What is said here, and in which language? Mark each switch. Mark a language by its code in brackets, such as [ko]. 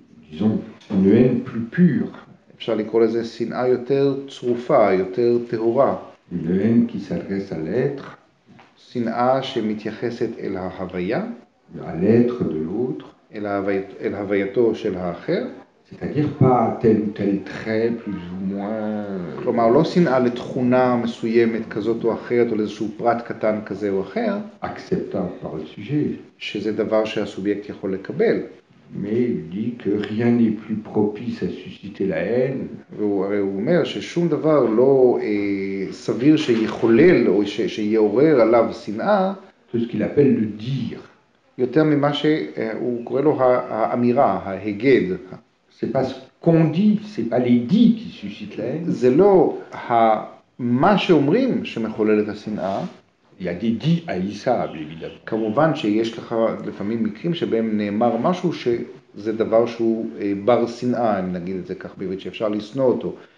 [fr] Disons, une haine plus pure. [he] אפשר לקרוא לזה שנאה יותר צרופה, יותר טהורה. [fr] Une haine qui s'adresse à l'être. [he] שנאה שמתייחסת אל ההוויה. [fr] À l'être de l'autre. [he] אל הווייתו של האחר. [fr] C'est-à-dire pas tel ou tel trait, plus ou moins. [he] כלומר, לא שנאה לתכונה מסוימת כזאת או אחרת, או לאיזשהו פרט קטן כזה או אחר. [fr] Acceptable par le sujet. [he] שזה דבר שהסובייקט יכול לקבל. [fr] Mais il dit que rien n'est plus propice à susciter la haine. [he] והוא אומר ששום דבר לא סביר שיחולל או שיעורר עליו שנאה. [fr] Tout ce qu'il appelle le dire. [he] יותר ממה שהוא קורא לו האמירה, ההגד. [fr] C'est pas ce qu'on dit, c'est pas les dits qui suscitent la haine. [he] זה לא מה שאומרים שמחולל את השנאה. [fr] Il y a des dits haïssables, évidemment. [he] כמובן שיש לך לפעמים מקרים שבהם נאמר משהו שזה דבר שהוא בר שנאה, אני נגיד את זה כך בעברית, שאפשר לשנוא אותו.